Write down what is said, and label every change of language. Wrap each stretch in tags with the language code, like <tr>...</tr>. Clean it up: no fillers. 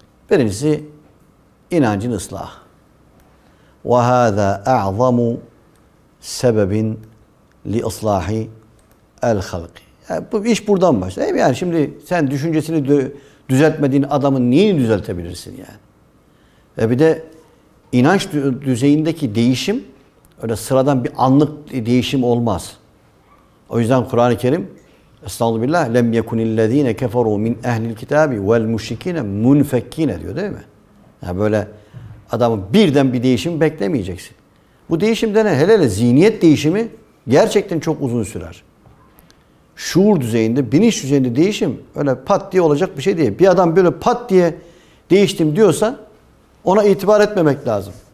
<tr>Birincisi, inancın ıslahı.</tr> <ar>وَهَذَا أَعْظَمُ سَبَبٍ لِإِصْلَاحِ الْخَلْقِ</ar> <tr>yani bu iş buradan başlar. Değil mi? Yani şimdi sen düşüncesini düzeltmediğin adamın neyini düzeltebilirsin yani? Ve bir de inanç düzeyindeki değişim öyle sıradan bir anlık değişim olmaz. O yüzden Kur'an-ı Kerim Estağfirullah</tr> <ar>لَمْ يَكُنِ الَّذ۪ينَ كَفَرُوا مِنْ اَهْلِ الْكِتَابِ وَالْمُشْرِك۪ينَ مُنْفَك۪ينَ</ar> <tr>diyor değil mi? Yani böyle adamın birden bir değişim beklemeyeceksin. Bu değişim de ne? Hele hele zihniyet değişimi gerçekten çok uzun sürer. Şuur düzeyinde, bilinç düzeyinde değişim öyle pat diye olacak bir şey değil. Bir adam böyle pat diye değiştim diyorsa ona itibar etmemek lazım.</tr>